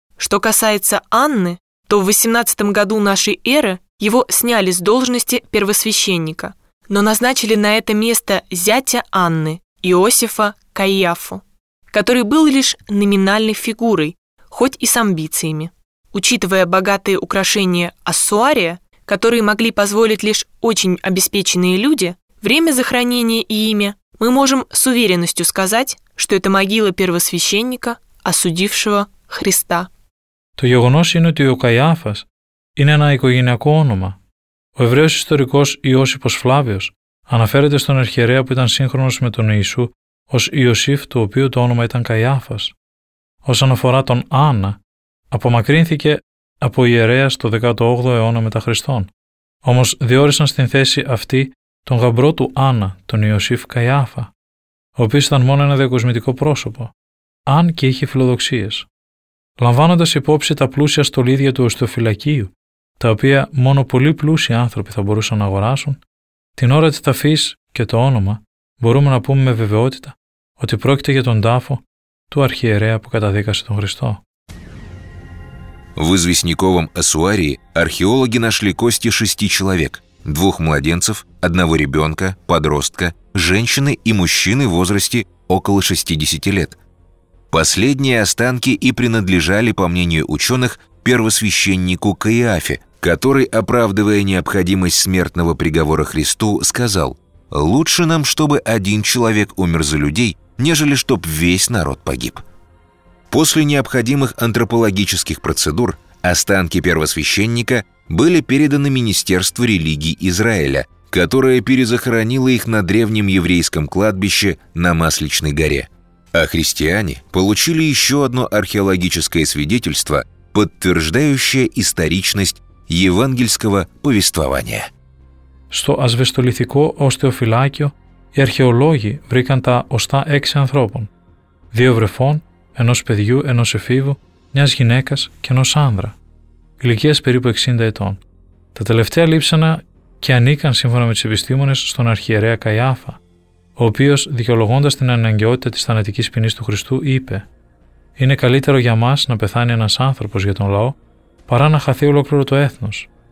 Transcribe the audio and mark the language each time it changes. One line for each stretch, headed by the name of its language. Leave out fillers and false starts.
Russian: Что касается Анны, то в 18 году нашей эры его сняли с должности первосвященника, но назначили на это место зятя Анны, Иосифа Каиафу, который был лишь номинальной фигурой, хоть и с амбициями. Учитывая богатые украшения ассуария, которые могли позволить лишь очень обеспеченные люди, время захоронения и имя, мы можем с уверенностью сказать, что это могила первосвященника, осудившего Христа.
Greek: Το γεγονός είναι ότι ο Καϊάφας είναι ένα οικογενειακό όνομα. Ο Εβραίος ιστορικός Ιώσιπος Φλάβιος αναφέρεται στον αρχιερέα που ήταν σύγχρονος με τον Ιησού ως Ιωσήφ, του οποίου το όνομα ήταν Καϊάφας. Όσον αφορά τον Άννα, απομακρύνθηκε από ιερέα στο 18ο αιώνα μετά Χριστόν. Όμως διόρισαν στην θέση αυτή τον γαμπρό του Άννα, τον Ιωσήφ Καϊάφα, ο οποίος ήταν μόνο ένα διακοσμητικό πρόσωπο, αν και είχε φιλοδοξίες. Λαμβάνοντας υπόψη τα πλούσια στολίδια του οστεοφυλακίου, τα οποία μόνο πολύ πλούσιοι άνθρωποι θα μπορούσαν να αγοράσουν, την ώρα της ταφής και το όνομα μπορούμε να πούμε με βεβαιότητα ότι πρόκειται για τον τάφο του αρχιερέα που καταδίκασε τον Χριστό.
Russian: В известняковом ассуарии археологи нашли кости 6 человек – 2 младенцев, 1 ребенка, подростка, женщины и мужчины в возрасте около 60 лет. Последние останки и принадлежали, по мнению ученых, первосвященнику Каиафе, который, оправдывая необходимость смертного приговора Христу, сказал: «Лучше нам, чтобы один человек умер за людей, нежели чтоб весь народ погиб». После необходимых антропологических процедур останки первосвященника были переданы Министерству религий Израиля, которое перезахоронило их на древнем еврейском кладбище на Масличной горе. А христиане получили еще одно археологическое свидетельство, подтверждающее историчность евангельского повествования.
Greek: Στο ασβεστολιθικό οστεοφυλάκιο οι αρχαιολόγοι βρήκαν τα οστά 6 ανθρώπων. 2 βρεφών, ενός παιδιού, ενός εφήβου, μιας γυναίκας και ενός άνδρα. Ηλικίας περίπου 60 ετών. Τα τελευταία λείψανα και ανήκαν σύμφωνα με τους επιστήμονες στον αρχιερέα Καϊάφα, ο οποίος δικαιολογώντας την αναγκαιότητα της θανατικής ποινής του Χριστού είπε «Είναι καλύτερο για μας να πεθάνει ένας άνθρωπος για τον λαό παρά να χαθεί ολόκληρο το έθνος».